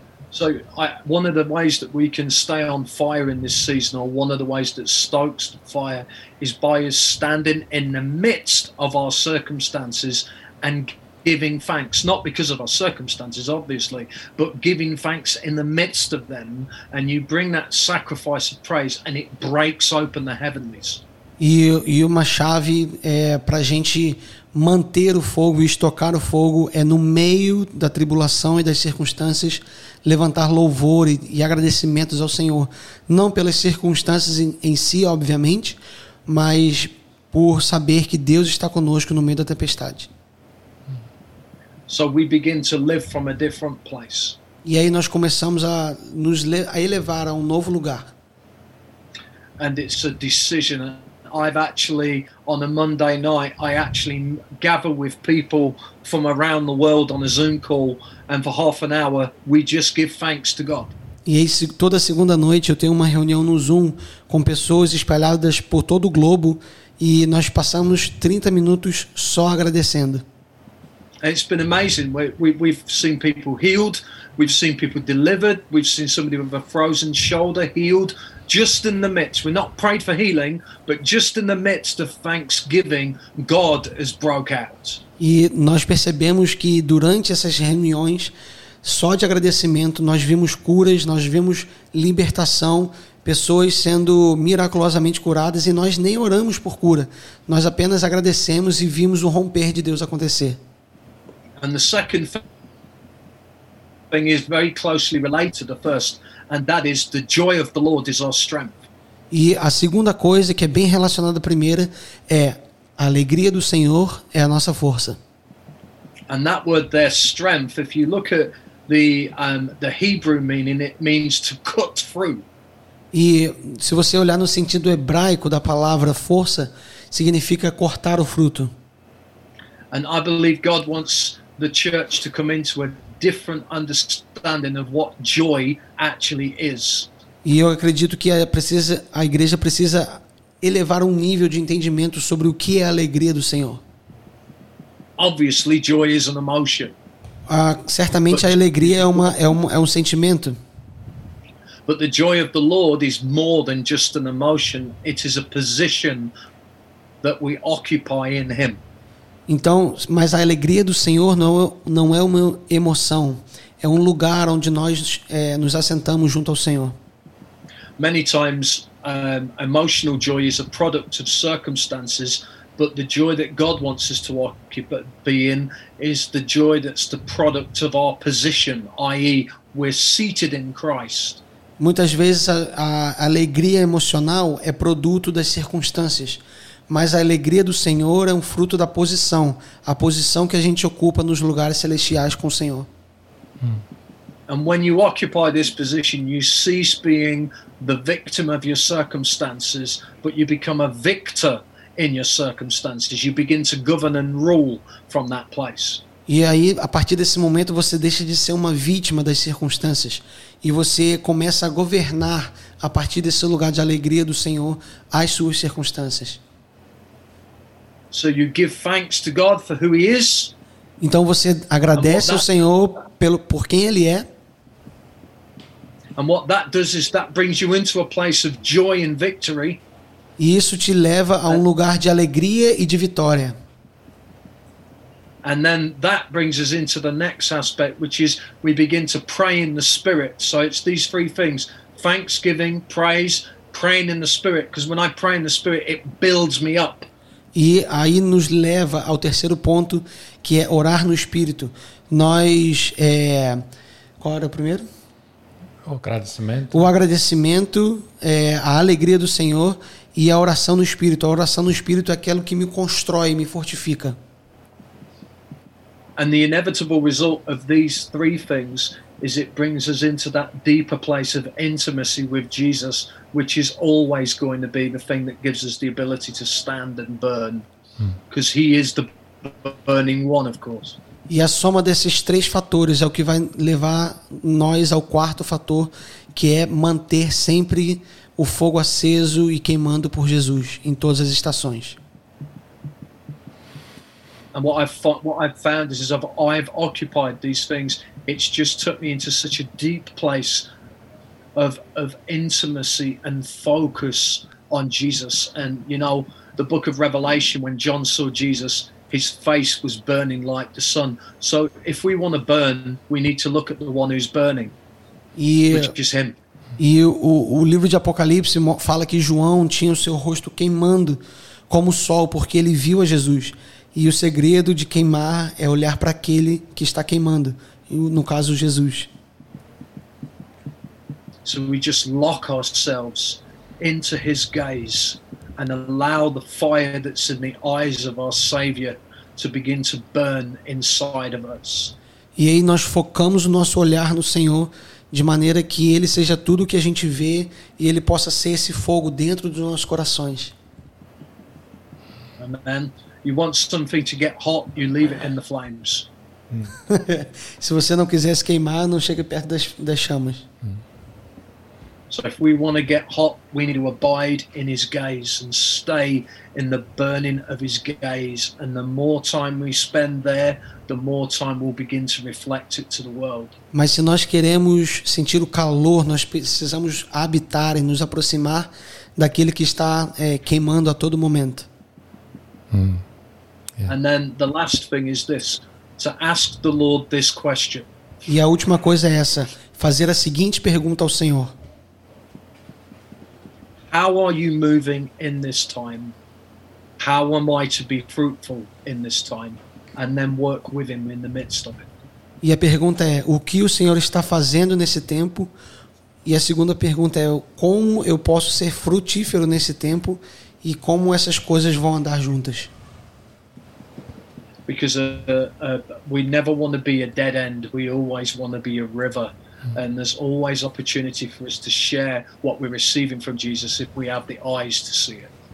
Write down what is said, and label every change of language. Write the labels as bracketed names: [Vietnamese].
[English] So one of the ways that we can stay on fire in this season, or one of the ways that stokes the fire, is by us standing in the midst of our circumstances and giving thanks, not because of our circumstances, obviously, but giving thanks in the midst of them, and you bring that sacrifice of praise and it breaks open the heavens. [Portuguese] E uma chave para a gente manter o fogo e estocar o fogo é no meio da tribulação e das circunstâncias levantar louvor e agradecimentos ao Senhor, não pelas circunstâncias em si, obviamente, mas por saber que Deus está conosco no meio da tempestade. [English] So we begin to live from a different place. [Portuguese] E aí nós começamos a nos elevar a um novo lugar. [English] And it's a decision. I've actually, on a Monday night, I actually gather with people from around the world on a Zoom call, and for half an hour, we just give thanks to God. [Portuguese] E aí, toda segunda noite, eu tenho uma reunião no Zoom com pessoas espalhadas por todo o globo, e nós passamos 30 minutos só agradecendo. [English] It's been amazing. We've seen people healed, we've seen people delivered, we've seen somebody with a frozen shoulder healed, just in the midst. We're not praying for healing, but just in the midst of thanksgiving, God has broke out. [Portuguese] E nós percebemos que durante essas reuniões, só de agradecimento, nós vimos curas, nós vimos libertação, pessoas sendo miraculosamente curadas, e nós nem oramos por cura. Nós apenas agradecemos e vimos o romper de Deus acontecer. [English] And the second thing is very closely related to the first, and that is the joy of the Lord is our strength. [Portuguese] E a segunda coisa, que é bem relacionada à primeira, é a alegria do Senhor é a nossa força. [English] And that word there, strength, if you look at the Hebrew meaning, it means to cut through. [Portuguese] E se você olhar no sentido hebraico da palavra força, significa cortar o fruto. [English] And I believe God wants the church to come into a different understanding of what joy actually is. [Portuguese] E eu acredito que a igreja precisa elevar um nível de entendimento sobre o que é a alegria do Senhor. [English] Obviously, joy is an emotion. [Portuguese] Certamente a alegria é um sentimento. [English] But the joy of the Lord is more than just an emotion. It is a position that we occupy in Him. [Portuguese] Então, mas a alegria do Senhor não é uma emoção. É um lugar onde nós nos assentamos junto ao Senhor. [English] Many times, emotional joy is a product of circumstances, but the joy that God wants us to be in is the joy that's the product of our position, i.e., we're seated in Christ. [Portuguese] Muitas vezes a alegria emocional é produto das circunstâncias, mas a alegria do Senhor é um fruto da posição, a posição que a gente ocupa nos lugares celestiais com o Senhor. [English] And when you occupy this position, you cease being the victim of your circumstances, but you become a victor in your circumstances. You begin to govern and rule from that place. [Portuguese] E aí, a partir desse momento, você deixa de ser uma vítima das circunstâncias e você começa a governar a partir desse lugar de alegria do Senhor as suas circunstâncias. [English] So you give thanks to God for who He is. [Portuguese] Então você agradece ao Senhor por quem Ele é. [English] And what that does is that brings you into a place of joy and victory. [Portuguese] E isso te leva a um lugar de alegria e de vitória. [English] And then that brings us into the next aspect, which is we begin to pray in the Spirit. So it's these three things: thanksgiving, praise, praying in the Spirit. Because when I pray in the Spirit, it builds me up. [Portuguese] E aí nos leva ao terceiro ponto, que é orar no Espírito. Nós, qual era o primeiro? O agradecimento. O agradecimento, a alegria do Senhor e a oração no Espírito. A oração no Espírito é aquilo que me constrói, me fortifica. [English] And the inevitable result of these three things is it brings us into that deeper place of intimacy with Jesus, which is always going to be the thing that gives us the ability to stand and burn, because He is the burning one, of course. [Portuguese] E a soma desses três fatores é o que vai levar nós ao quarto fator, que é manter sempre o fogo aceso e queimando por Jesus em todas as estações. [English] And what I've found is as I've occupied these things, it's just took me into such a deep place of intimacy and focus on Jesus. And you know, the book of Revelation, when John saw Jesus, his face was burning like the sun. So if we want to burn, we need to look at the one who's burning, which is him. [Portuguese] E o livro de Apocalipse fala que João tinha o seu rosto queimando como o sol, porque ele viu a Jesus. E o segredo de queimar é olhar para aquele que está queimando, no caso Jesus. [English] So we just lock ourselves into His gaze and allow the fire that's in the eyes of our Savior to begin to burn inside of us. [Portuguese] E aí nós focamos o nosso olhar no Senhor de maneira que Ele seja tudo o que a gente vê e Ele possa ser esse fogo dentro dos nossos corações. Amém. [English] You want something to get hot, you leave it in the flames. [Portuguese] Se você não quiser se queimar, não chegue perto das chamas. [English] So if we want to get hot, we need to abide in His gaze and stay in the burning of His gaze. And the more time we spend there, the more time we'll begin to reflect it to the world. [Portuguese] Mas se nós queremos sentir o calor, nós precisamos habitar e nos aproximar daquele que está queimando a todo momento. [English] Yeah. And then the last thing is this: to ask the Lord this question. [Portuguese] E a última coisa é essa: fazer a seguinte pergunta ao Senhor. [English] How are you moving in this time? How am I to be fruitful in this time? And then work with him in the midst of it. [Portuguese] E a pergunta é, o que o Senhor está fazendo nesse tempo? E a segunda pergunta é, como eu posso ser frutífero nesse tempo? E como essas coisas vão andar juntas? [English] Because we never want to be a dead end. We always want to be a river. And there's always opportunity for us to share what we're receiving from Jesus if we have the eyes to see it.